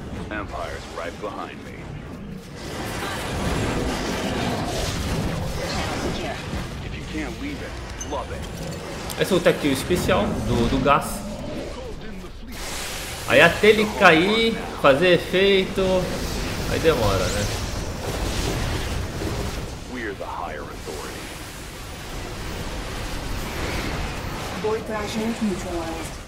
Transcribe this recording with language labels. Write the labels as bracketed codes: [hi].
[en] Empire's right behind me. If you can't leave it, love it. [pt] Esse é o tech especial do gás. Aí até ele cair, fazer efeito, aí demora, né? [en] We're the higher authority.